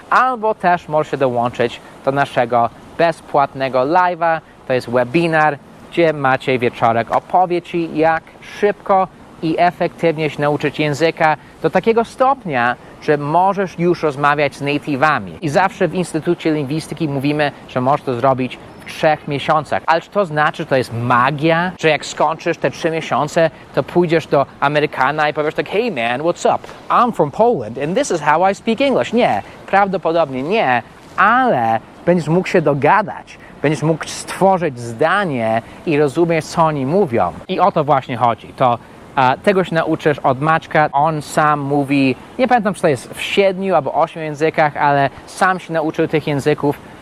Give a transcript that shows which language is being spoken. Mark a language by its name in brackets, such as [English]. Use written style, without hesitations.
[Polish] Albo też możesz się dołączyć do naszego bezpłatnego live'a, to jest webinar, gdzie Maciej Wieczorek opowie ci, jak szybko i efektywnie się nauczyć języka do takiego stopnia, że możesz już rozmawiać z native'ami. I zawsze w Instytucie Lingwistyki mówimy, że możesz to zrobić w 3 miesiącach. Ale czy to znaczy, że to jest magia? Że jak skończysz te 3 miesiące, to pójdziesz do Amerykana i powiesz tak, [English] hey man, what's up? I'm from Poland and this is how I speak English. [Polish] Nie, prawdopodobnie nie, ale będziesz mógł się dogadać. Będziesz mógł stworzyć zdanie i rozumieć, co oni mówią. I o to właśnie chodzi. To tego się nauczysz od Maćka. On sam mówi, nie pamiętam, czy to jest w 7 albo 8 językach, ale sam się nauczył tych języków.